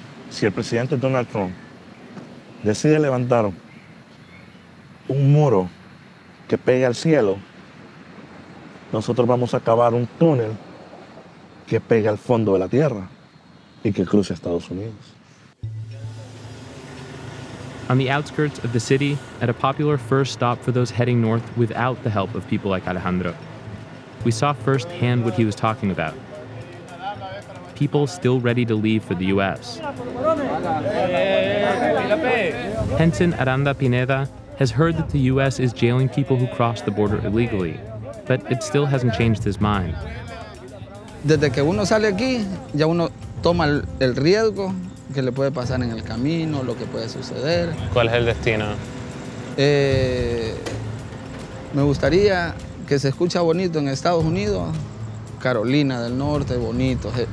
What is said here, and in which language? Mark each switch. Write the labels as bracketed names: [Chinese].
[Spanish] Si el presidente Donald Trump decide levantar un muro que pegue al cielo, nosotros vamos a cavar un túnel que pegue al fondo de la tierra y que cruce Estados Unidos. [English] On the outskirts of the city, at a popular first stop for those heading north without the help of people like Alejandro, we saw firsthand what he was talking about. People still ready to leave for the U.S. Henson Aranda Pineda has heard that the U.S. is jailing people who cross the border illegally, but it still hasn't changed his mind. [Spanish] Desde que uno sale aquí, ya uno toma el riesgo que le puede pasar en el camino, lo que puede suceder. ¿Cuál es el destino? Me gustaría que se escucha bonito en Estados Unidos, Carolina del Norte, bonito.